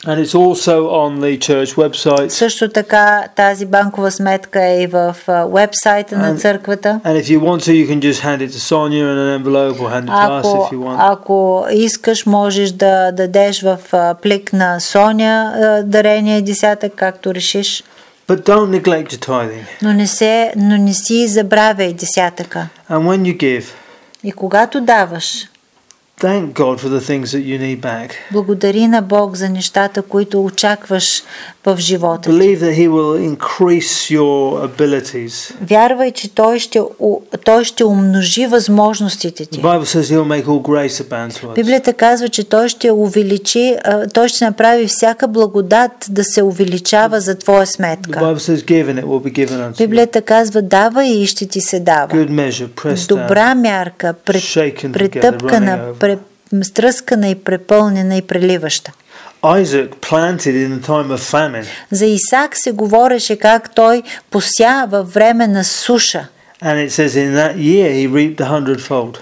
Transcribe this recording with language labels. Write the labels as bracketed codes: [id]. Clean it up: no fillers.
[en] And it's also on the church website. [bg] Също така тази банкова сметка е и в уебсайта на църквата. [en] And if you want to, you can just hand it to Sonia in an envelope or hand it to us if you want. [bg] Ако искаш, можеш да дадеш в плик на Соня дарение десятък, както решиш. [en] But don't neglect your tithing. [bg] Но не си забравяй десятъка. [en] And when you give. [bg] И когато даваш. [en] Thank God for the things that you need back. [bg] Благодари на Бог за нещата, които очакваш в живота ти. [en] Believe that he will increase your abilities. [bg] Вярвай, че той ще умножи възможностите ти. [en] The Bible says he'll make all grace abound to us. [bg] Библията казва, че той ще увеличи, той ще направи всяка благодат да се увеличава за твоя сметка. [en] The Bible says give and it will be given unto you. [bg] Библията казва, давай и ще ти се дава. [en] Good measure, pressed down. [bg] Добра мярка, претъпкана, стръскана и препълнена и преливаща. [en] Isaac planted in the time of famine. [bg] За Исак се говореше как той пося във време на суша. [en] And it says in that year he reaped 100-fold.